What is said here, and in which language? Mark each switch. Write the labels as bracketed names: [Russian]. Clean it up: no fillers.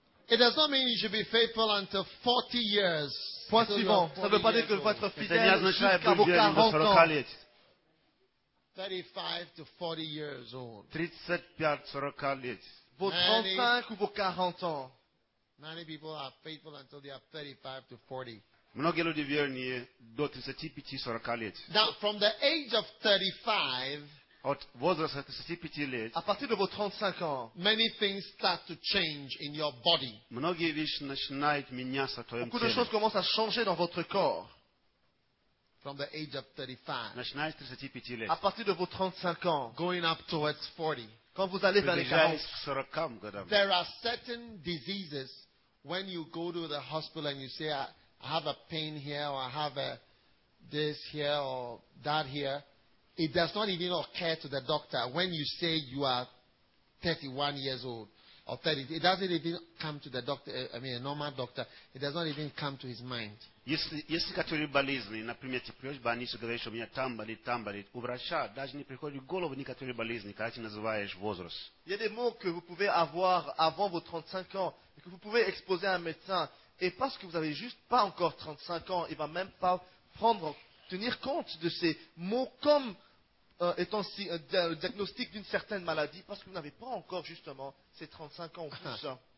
[English] It does not mean you should be faithful until 40 years. [French] Point suivant. Ça ne veut pas dire que vous êtes fidèle jusqu'à vos 40 ans. [English] 35 to 40 years old. [French] Vos 35 ou vos 40 ans. [English] Many people are faithful until they are 35 to 40. [Russian] Многие люди верные до 35-40 лет. [English] Now, from the age of 35, [Russian] от возраста 35 лет, [French] à partir de vos 35 ans, [English] many things start to change in your body. [Russian] Многие вещи начинают меняться в твоем теле. [French] Beaucoup de choses commencent à changer dans votre corps. [English] From the age of 35, [Russian] начиная с 35 лет, [French] à partir de vos 35 ans, [English] going up towards 40, [French] quand vous allez vers les 40, [English] there are certain diseases when you go to the hospital and you say, I have a pain here, or I have this here, or that here. It does not even occur to the doctor when you say you are 31 years old or 30. It doesn't even come to the doctor. A normal doctor. It does not even come to his mind. [Russian] Yes, если какая-либо болезнь, например, ты приходишь в больницу, говоришь, что у меня там болит. У врача даже не приходит в голову никакой болезни, когда ты называешь возраст. [French] Il y a des mots que vous pouvez avoir avant vos 35 ans et que vous pouvez exposer à un médecin. Et parce que vous n'avez juste pas encore 35 ans, il ne va même pas tenir compte de ces mots comme étant si, le diagnostic d'une certaine maladie, parce que vous n'avez pas encore justement ces 35 ans ou plus.